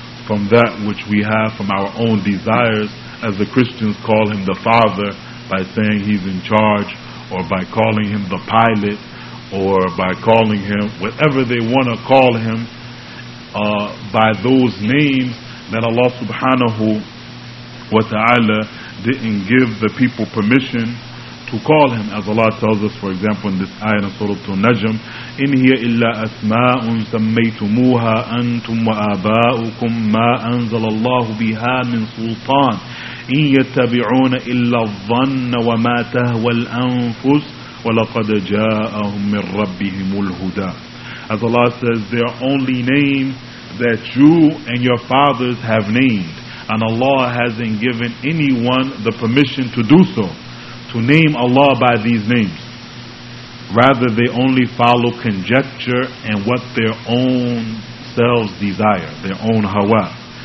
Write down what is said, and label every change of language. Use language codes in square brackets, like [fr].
[en] from that which we have from our own desires, as the Christians call Him the Father by saying He's in charge, or by calling Him the Pilot, or by calling Him whatever they want to call Him, by those names that Allah subhanahu wa ta'ala didn't give the people permission to call Him. As Allah tells us, for example, in this ayah in Surah An-Najm, [ar] إِنْ هِيَ إِلَّا أَسْمَاءٌ سَمَّيْتُمُوهَا أَنْتُمْ وَآبَاؤُكُمْ مَا أَنْزَلَ اللَّهُ بِهَا مِنْ سُلْطَانٍ إِنْ يَتَّبِعُونَ إِلَّا الظَّنَّ وَمَا تَهْوَى الْأَنْفُسُ وَلَقَدْ جَاءَهُمْ مِنْ رَبِّهِمُ الْهُدَى. [en] As Allah says, there are only names that you and your fathers have named, and Allah hasn't given anyone the permission to do so, to name Allah by these names. Rather, they only follow conjecture and what their own selves desire, their own hawa.